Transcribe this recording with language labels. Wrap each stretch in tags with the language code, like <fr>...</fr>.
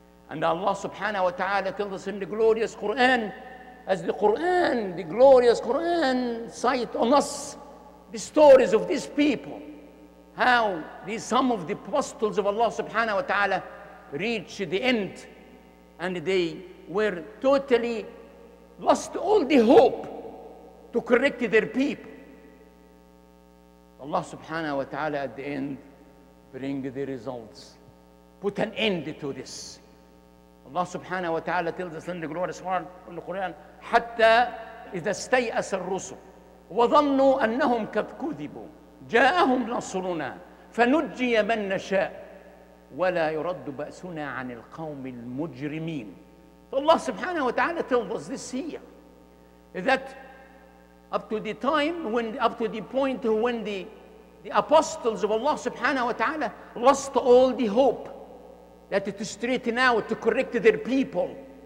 <en>And Allah subhanahu wa ta'ala tells us in the glorious Quran, as the Quran, the glorious Quran, cite on us the stories of these people, how these some of the apostles of Allah subhanahu wa ta'ala reached the end and they were totally lost all the hope to correct their people. Allah subhanahu wa ta'ala at the end bring the results, put an end to this. Allah subhanahu wa ta'ala tells us in the glorious word in the Quran,</en> <ar>حَتَّى إِذَا اسْتَيْأَسَ الرُّسُلُ وَظَنُّوا أَنَّهُمْ كَدْ كُذِبُوا جَاءَهُمْ نَصُرُنَا فَنُجِّيَ مَنْ نَشَاءُ وَلَا يُرَدُّ بَأْسُنَا عَنِ الْقَوْمِ الْمُجْرِمِينَ.</ar> <en>Allah subhanahu wa ta'ala tells us this here, that up to the time, when up to the point when the apostles of Allah subhanahu wa ta'ala lost all the hope that to straighten out, to correct their people.</en>